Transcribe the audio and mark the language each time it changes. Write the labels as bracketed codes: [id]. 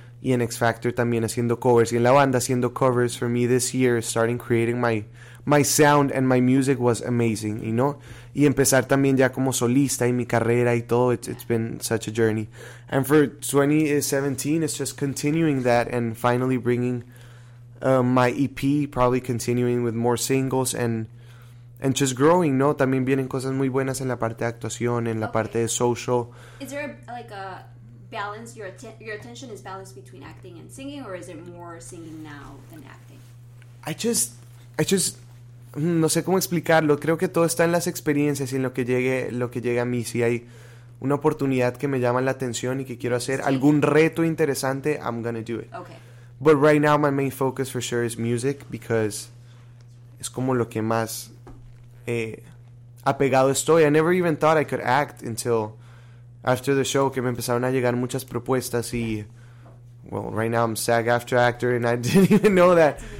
[es] Y en X Factor también haciendo covers. Y en la banda haciendo covers. [en] For me this year, starting creating my sound and my music was amazing, you know? [es] Y empezar también ya como solista y mi carrera y todo, [en] it's been such a journey. And for 2017, it's just continuing that and finally bringing my EP, probably continuing with more singles And just growing, ¿no? [es] También vienen cosas muy buenas en la parte de actuación, en la parte de social. [en] Is there like a balance, your attention is balanced between acting and singing, or is it more singing now than acting? I just, [es] no sé cómo explicarlo. Creo que todo está en las experiencias y en lo que llegue a mí. Si hay una oportunidad que me llama la atención y que quiero hacer algún reto interesante, [en] I'm gonna do it. Okay. But right now my main focus for sure is music, because [es] es como lo que más apegado estoy. [en] I never even thought I could act until after the show, [es] que me empezaron a llegar muchas propuestas y, [en] well, right now I'm SAG-AFTRA actor and I didn't even know that.